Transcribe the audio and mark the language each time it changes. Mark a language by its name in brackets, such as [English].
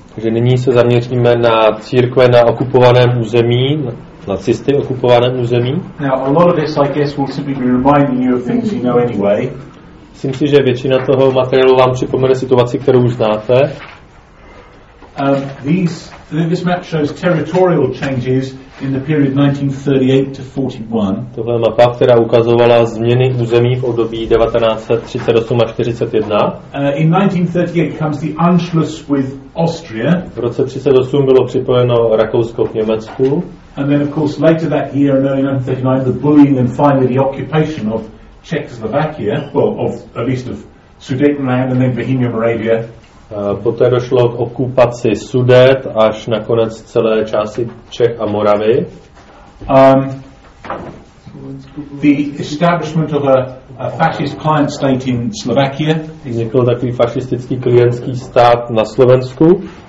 [Czech] Takže nyní se zaměříme na církve na okupovaném území, nacisty okupovaném území. [English] Now a lot of this, I guess, will simply be reminding you of things you know anyway. [Czech] Myslím si, že většina toho materiálu vám připomene situaci, kterou už znáte. [English] This map shows territorial changes in the period 1938 to 41. [Czech] Tohle mapa, která ukazovala změny území v období 1938 až 41. [English] In 1938 comes the Anschluss with Austria. [Czech] V roce 38 bylo připojeno Rakousko k Německu. [English] And then of course later that year in 1939 the bullying and finally the occupation of Czechoslovakia, well, of at least of Sudetenland and then Bohemia Moravia. [Czech] Poté došlo k okupaci Sudet až nakonec celé části Čech a Moravy. [English] The establishment of a fascist client state in Slovakia. [Czech] Vznikl takový fašistický klientský stát na Slovensku.